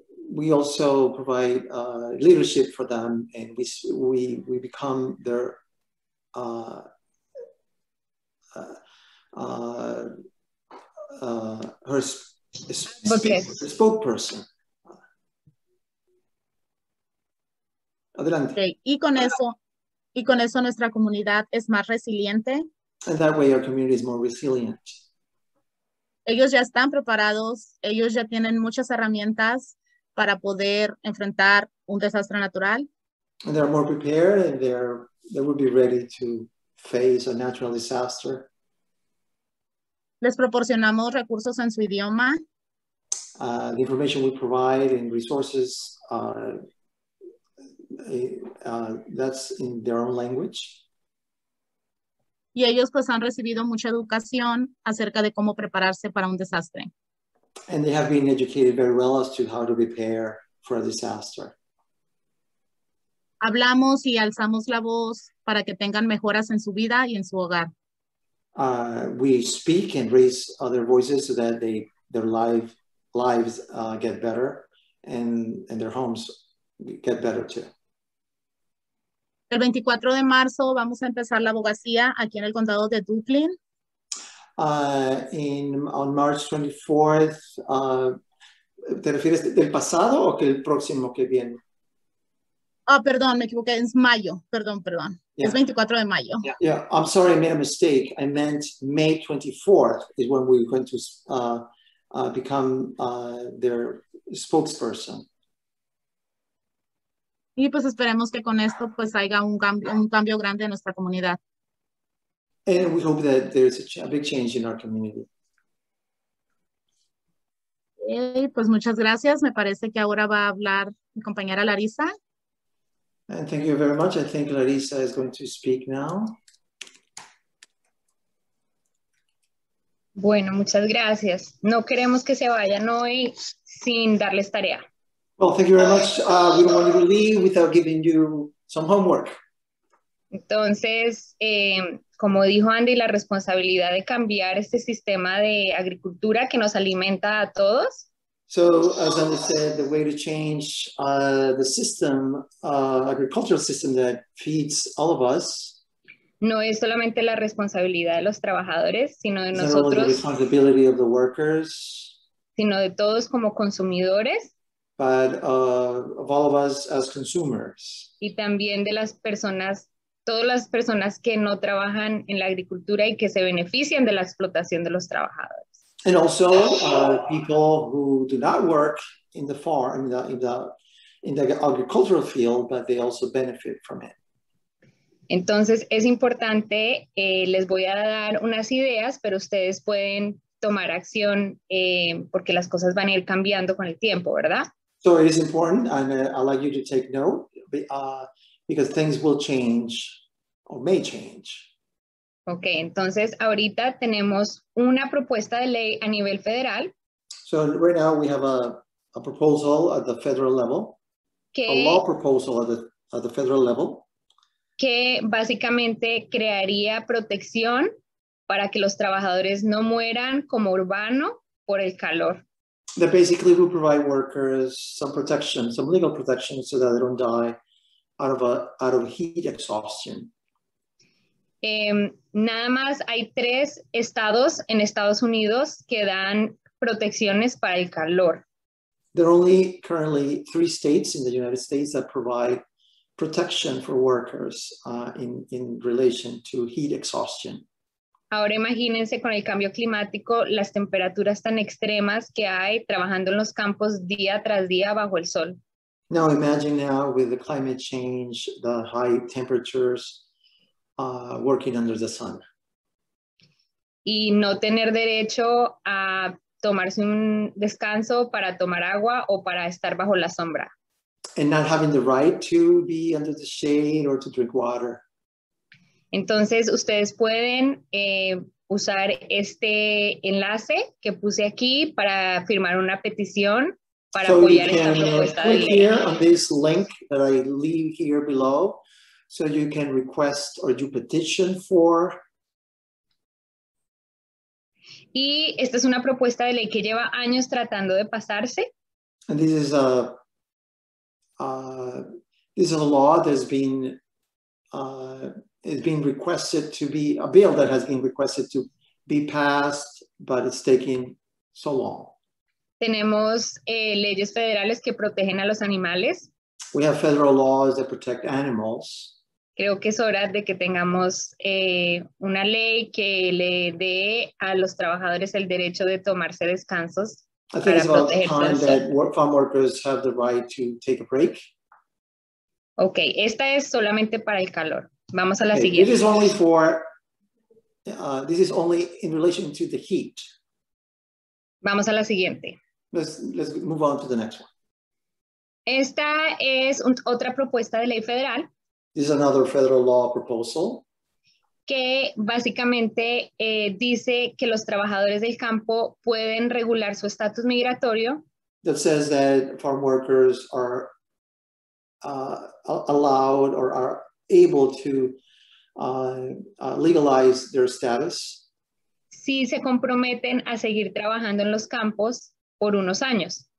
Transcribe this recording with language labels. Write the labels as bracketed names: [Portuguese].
[English] We also provide leadership for them, and we become their spokesperson. [Spanish] Adelante. [English] Okay. [Spanish] Y con eso nuestra comunidad es más resiliente. [English] And that way our community is more resilient. [Spanish] Ellos ya están preparados, ellos ya tienen muchas herramientas para poder enfrentar un desastre natural. [English] And they're more prepared and they will be ready to face a natural disaster. [Spanish] Les proporcionamos recursos en su idioma. [English] The information we provide and resources that's in their own language. [Spanish] Y ellos pues han recibido mucha educación acerca de cómo prepararse para un desastre. [English] And they have been educated very well as to how to prepare for a disaster. [Spanish] Hablamos y alzamos la voz para que tengan mejoras en su vida y en su hogar. [English] We speak and raise other voices so that their lives get better and their homes get better too. [Spanish] El 24 de marzo vamos a empezar la abogacía aquí en el condado de Duplin. [English] On March 24th, [Spanish] ¿te refieres del pasado o que el próximo que viene? Oh, perdón, me equivoqué, es mayo, perdón. Yeah. Es 24 de mayo. [English] Yeah, I'm sorry, I made a mistake. I meant May 24th is when we're going to become their spokesperson. [Spanish] Y pues esperemos que con esto pues haya un cambio grande en nuestra comunidad. [English] And we hope that there's a big change in our community. [Spanish] Okay, pues muchas gracias. Me parece que ahora va a hablar mi compañera Larissa. [English] And thank you very much. I think Larissa is going to speak now. [Spanish] Bueno, muchas gracias. No queremos que se vayan hoy sin darles tarea. [English] Well, thank you very much. We don't want you to leave without giving you some homework. [Spanish] Entonces, como dijo Andy, la responsabilidad de cambiar este sistema de agricultura que nos alimenta a todos. [English] So, as Andy said, the way to change the system, agricultural system that feeds all of us. [Spanish] No es solamente la responsabilidad de los trabajadores, sino de nosotros. [English] Not only the responsibility of the workers. [Spanish] Sino de todos como consumidores. [English] But of all of us as consumers. [Spanish] Y también de las personas, todas las personas que no trabajan en la agricultura y que se benefician de la explotación de los trabajadores. [English] And also people who do not work in the farm, in the agricultural field, but they also benefit from it. [Spanish] Entonces es importante, les voy a dar unas ideas, pero ustedes pueden tomar acción porque las cosas van a ir cambiando con el tiempo, ¿verdad? [English] So it is important, and I'd like you to take note, because things will change, or may change. [Spanish] Ok, entonces ahorita tenemos una propuesta de ley a nivel federal. [English] So right now we have a proposal at the federal level, [Spanish] que, [English] a law proposal at the federal level. [Spanish] que básicamente crearía protección para que los trabajadores no mueran como urbano por el calor. [English] That basically will provide workers some protection, some legal protection, so that they don't die out of heat exhaustion. [Spanish] Nada más hay tres estados en Estados Unidos que dan protecciones para el calor. [English] There are only currently three states in the United States that provide protection for workers in relation to heat exhaustion. [Spanish] Ahora imagínense con el cambio climático, las temperaturas tan extremas que hay trabajando en los campos día tras día bajo el sol. [English] Now imagine now with the climate change, the high temperatures working under the sun. [Spanish] Y no tener derecho a tomarse un descanso para tomar agua o para estar bajo la sombra. [English] And not having the right to be under the shade or to drink water. [Spanish] Entonces, ustedes pueden usar este enlace que puse aquí para firmar una petición para apoyar esta propuesta de ley. [English] So you can click here on this link that I leave here below, so you can request or do petition for. [Spanish] Y esta es una propuesta de ley que lleva años tratando de pasarse. [English] And this is a law that has been a bill that has been requested to be passed, but it's taking so long. [Spanish] Tenemos leyes federales que protegen a los animales. [English] We have federal laws that protect animals. [Spanish] Creo que es hora de que tengamos una ley que le dé a los trabajadores el derecho de tomarse descansos. [English] I think it's about time that farm workers have the right to take a break. [Spanish] Okay, esta es solamente para el calor. Vamos a la siguiente. [English] This is only for, this is only in relation to the heat. [Spanish] Vamos a la siguiente. [English] Let's move on to the next one. [Spanish] Esta es otra propuesta de ley federal. [English] This is another federal law proposal. [Spanish] Que básicamente dice que los trabajadores del campo pueden regular su estatus migratorio. [English] That says that farm workers are allowed or are able to legalize their status. [Spanish] Si se comprometen a seguir trabajando en los campos por unos años.